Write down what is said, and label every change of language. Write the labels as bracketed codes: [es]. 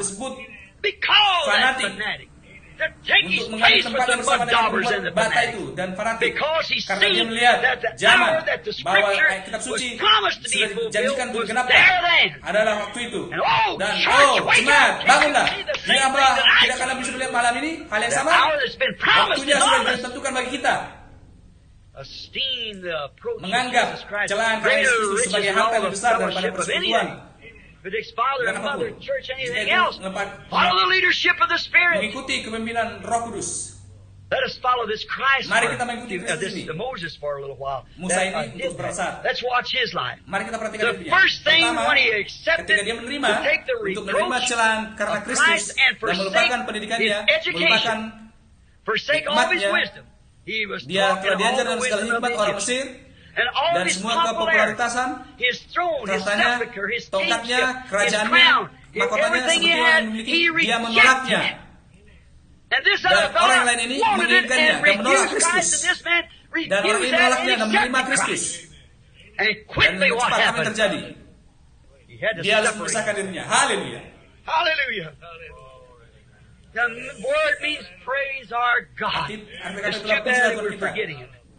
[en] to be called that fanatic, to take his place with the mud-daubers and the fanatic, because he seen that the hour that the scripture was promised to be fulfilled was there then. And oh, church, wake up! Can't you see the same thing that I see? The hour that's been promised and honored. Esteem the approach of Jesus Christ [id] menganggap jalan Kristus sebagai hal yang besar daripada persekutuan. [en] If it's father, and mother, church, anything else, follow the leadership of the Spirit. [id] Mengikuti kepemimpinan Roh Kudus. [en] Let us follow this Christ. [id] Mari kita mengikuti Kristus. [en] This is Moses for a little while. [id] Musa ini untuk sebentar. [en] Let's watch his life. [id] Mari kita perhatikan [en] the first thing when he accepted [id] dia menerima, untuk menerima celaan karena Kristus dan melupakan pendidikannya, melupakan hikmatnya. Dia telah diajar dengan segala hikmat orang Mesir dan semua kepopularitasan, kertasnya, tongkatnya, kerajaannya, mahkotanya, seperti yang memiliki, dia menolaknya. Dan orang lain ini menginginkannya dan menolak Kristus. Dan orang ini menolaknya dan menerima Kristus. Dan cepat apa yang terjadi? Dia harus memisahkan dirinya. Haleluya. Haleluya. [en] The word means praise our God. It's too bad we're forgetting it.